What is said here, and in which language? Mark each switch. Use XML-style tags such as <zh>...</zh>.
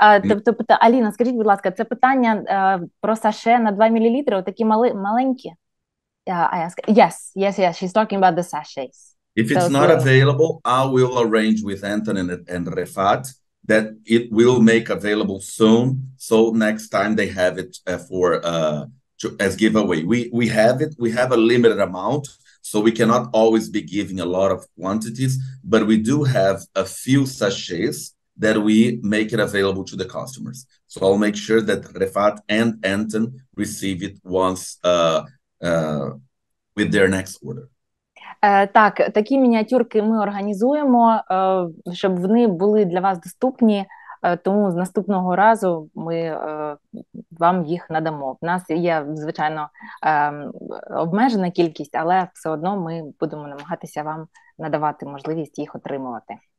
<uk>Тобто, Аліна, скажіть, будь ласка, це питання про саше на 2 мл, такі маленькі?</uk> <en>Yes, she's talking about the sachets. If it's so, not available, I will arrange with Anton and Refat that it will make available soon, so next time they have it for as giveaway. We have it, we have a limited amount. So we cannot always be giving a lot of quantities, but we do have a few sachets that we make it available to the customers. So I'll make sure that Refat and Anton receive it once with their next order.</en> <uk>Так, такі мініатюрки ми організуємо, щоб вони були для вас доступні. Тому з наступного разу ми вам їх надамо. У нас є, звичайно, обмежена кількість, але все одно ми будемо намагатися вам надавати можливість їх отримувати.</uk>